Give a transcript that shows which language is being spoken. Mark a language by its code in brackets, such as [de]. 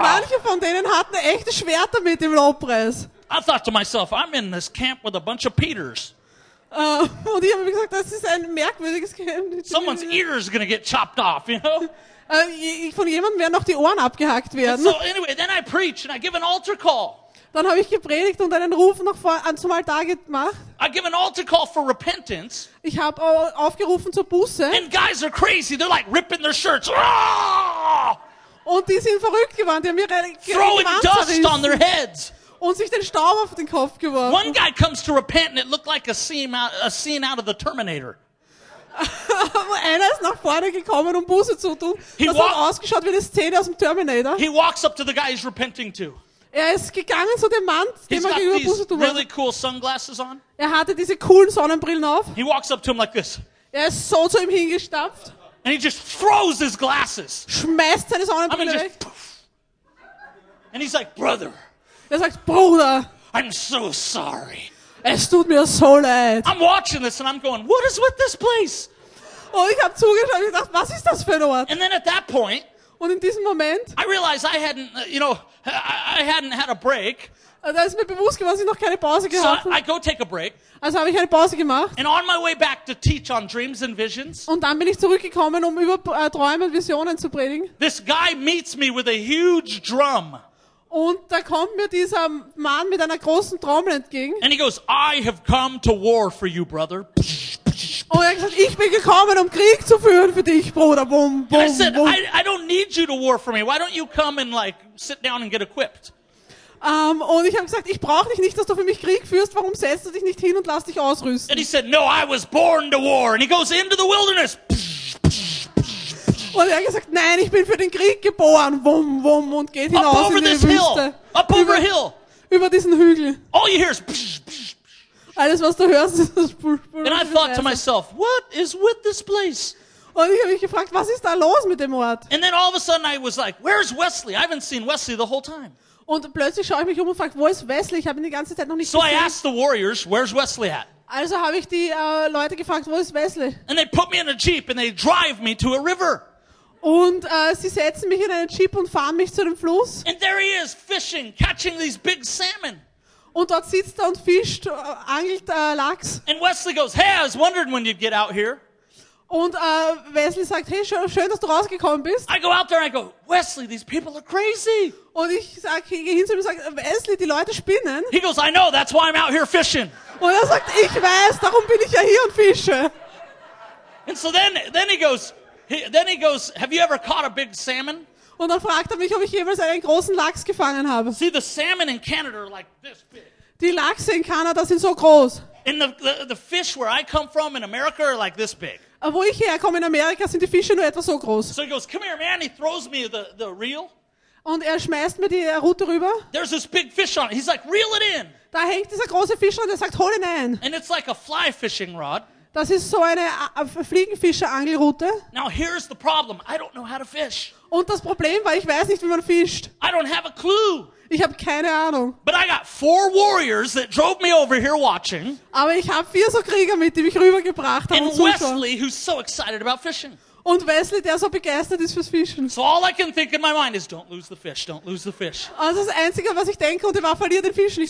[de] manche von denen hatten echte Schwerter mit im Lobpreis. [en] I thought to myself, I'm in this camp with a bunch of Peters. [de] Und ich habe mir gesagt, das ist ein merkwürdiges Camp. [en] Someone's ear is going to get chopped off, you know? [de] Von jemandem werden auch die Ohren abgehackt werden. [en] So anyway, then I preach and I give an altar call. [de] Dann habe ich gepredigt und einen Ruf noch vor zum Altar gemacht. [en] I give an altar call for repentance. [de] Ich habe aufgerufen zur Buße. [en] And guys are crazy. They're like ripping their shirts. [de] Und die sind verrückt geworden. Die haben ihre [en] throwing dust on their heads. [de] Und sich den Staub auf den Kopf geworfen. [en] One guy comes to repent and it looked like a scene out of the Terminator. [de] Einer ist nach vorne gekommen, um Buße zu tun. Das hat ausgeschaut wie eine Szene aus dem Terminator. [en] He walks up to the guy he's repenting to. [de] Er ist gegangen zu dem Mann, dem er gegenüber Buße tut. [en] Really cool sunglasses on. [de] Er hatte diese coolen Sonnenbrillen auf. [en] He walks up to him like this. [de] Er ist so zu ihm hingestapft. [en] And he just throws his glasses. [de] Schmeißt seine Sonnenbrille weg. [en] And he's like, brother. [de] Er sagt, Bruder. [en] I'm so sorry. [de] Es tut mir so leid. [en] I'm watching this and I'm going, what is with this place? [de] Oh, ich habe zugeschaut und gedacht, was ist das für ein Ort? [en] And then at that point, [de] und in diesem Moment, [en] I realized I hadn't, you know, I hadn't had a break. [de] Da ist mir bewusst geworden, dass ich noch keine Pause gehabt habe. [en] So I go take a break. [de] Also habe ich eine Pause gemacht. [en] And on my way back to teach on dreams and visions. [de] Und dann bin ich zurückgekommen, um über Träume und Visionen zu predigen. [en] This guy meets me with a huge drum. [de] Und da kommt mir dieser Mann mit einer großen Trommel entgegen. [en] And he goes, I have come to war for you, brother. [de] Und er sagt, ich bin gekommen, um Krieg zu führen für dich, Bruder. [en] Boom, boom, and I said, boom. I don't need you to war for me. Why don't you come and like sit down and get equipped? [de] Und ich habe gesagt, ich brauche dich nicht, dass du für mich Krieg führst. Warum setzt du dich nicht hin und lass dich ausrüsten? [en] And he said, no, I was born to war. And he goes into the wilderness. [de] Und er hat gesagt, nein, ich bin für den Krieg geboren. Wumm, wumm, und geht hinaus in die Wüste. [en] Up over a hill. [de] Über diesen Hügel. [en] All you hear is psch, psch, psch. [de] Alles, was du hörst, ist das psch, psch. [en] And I thought to myself, what is with this place? [de] Und ich habe mich gefragt, was ist da los mit dem Ort? [en] And then all of a sudden I was like, where's Wesley? I haven't seen Wesley the whole time. [de] Und plötzlich schaue ich mich um und frage, wo ist Wesley? Ich habe ihn die ganze Zeit noch nicht so gesehen. [en] So I asked the warriors, where's Wesley at? [de] Also habe ich die Leute gefragt, wo ist Wesley? [en] And they put me in a jeep and they drive me to a river. [de] Und sie setzen mich in einen Jeep und fahren mich zu dem Fluss. [en] And there he is, fishing, catching these big salmon. [de] Und dort sitzt er und fischt, angelt Lachs. [en] And Wesley goes, hey, I was wondering when you'd get out here. [de] Und Wesley sagt, hey, schön, dass du rausgekommen bist. [en] I go out there and I go, Wesley, these people are crazy. [de] Und ich gehe hin zu ihm und sage, Wesley, die Leute spinnen. [en] He goes, I know, that's why I'm out here fishing. [de] Und er sagt, ich weiß, darum bin ich ja hier und fische. [en] And so then he goes, have you ever caught a big salmon? [de] Und dann fragt er mich, ob ich jemals einen großen Lachs gefangen habe. [en] See, the salmon in Canada are like this big. [de] Die Lachse in Kanada sind so groß. [en] And the fish where I come from in America are like this big. [de] Wo ich herkomme in Amerika sind die Fische nur etwa so groß. [en] So he goes, come here, man. He throws me the reel. [de] Und er schmeißt mir die Rute rüber. [en] There's this big fish on it. He's like, reel it in. [de] Da hängt dieser große Fisch und er sagt, hol ihn ein. [en] And it's like a fly fishing rod. [de] Das ist so eine Fliegenfischer-Angelroute. [en] Now here's the problem. I don't know how to fish. [de] Und das Problem war, ich weiß nicht, wie man fischt. [en] I don't have a clue. [de] Ich habe keine Ahnung. [en] But I got four warriors that drove me over here watching. [de] Aber ich habe vier so Krieger mit, die mich rübergebracht haben. [en] And Wesley, who's so excited about fishing. [de] Und Wesley, der so begeistert ist fürs Fischen. [en] So all I can think in my mind is, don't lose the fish, don't lose the fish. [de] Also das Einzige, was ich denke, und ich war, verliere den Fisch nicht.